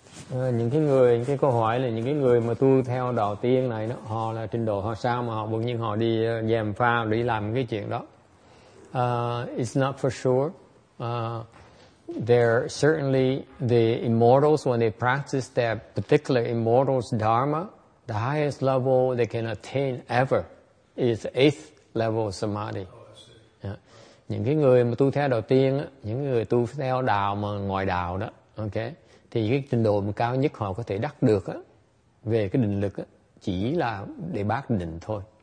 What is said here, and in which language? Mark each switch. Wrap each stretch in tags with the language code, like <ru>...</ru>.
<vi>Những cái người, cái câu hỏi là những cái người mà tu theo đạo tiên này đó, họ là trình độ họ sao mà họ bỗng nhiên họ đi dèm pha để làm cái chuyện đó.</vi> <en>It's not for sure. They're certainly the immortals when they practice their particular immortals dharma, the highest level they can attain ever is eighth level samadhi. Yeah.</en> <vi>Những cái người mà tu theo đạo tiên, những người tu theo đạo mà ngoài đạo đó, okay, thì cái trình độ mà cao nhất họ có thể đắc được á, về cái định lực á, chỉ là để bác định thôi.</vi>